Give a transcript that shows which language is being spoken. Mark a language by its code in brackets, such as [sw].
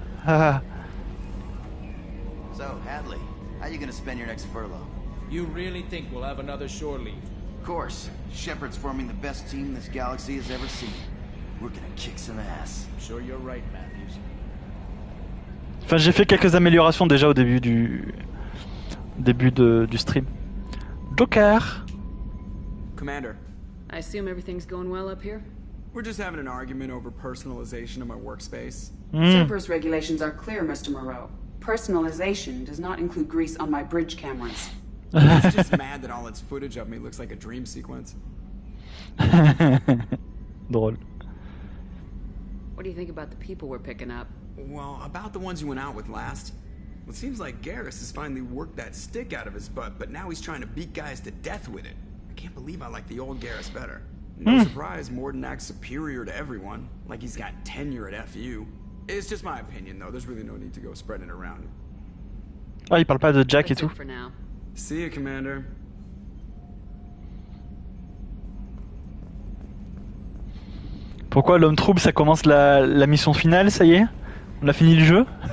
[en] So, Hadley, how are you gonna spend your next furlough? You really think we'll have another shore leave? Of course. Shepard's forming the best team this galaxy has ever seen. We're gonna kick some ass. I'm sure you're right, Matthews. [fr] Enfin, j'ai fait quelques améliorations déjà au début du... début de, du stream. Joker! [en] Commander. I assume everything's going well up here? We're just having an argument over personalization of my workspace. Super's regulations are clear, Mr. Moreau. Personalization does not include grease on my bridge cameras. It's just mad that all its footage of me looks like a dream sequence. [fr] Drôle. [en] What do you think about the people we're picking up? Well, about the ones you went out with last. Well, it seems like Garrus has finally worked that stick out of his butt, but now he's trying to beat guys to death with it. I can't believe I like the old Garrus better. No surprise, Morden acts superior to everyone, like he's got tenure at FU. It's just my opinion, though. There's really no need to go spreading it around. [fr] Ah, il parle pas de Jack et tout. [en] For now. See you, Commander. [fr] Pourquoi l'homme trouble, ça commence la, la mission finale, ça y est? On a fini le jeu?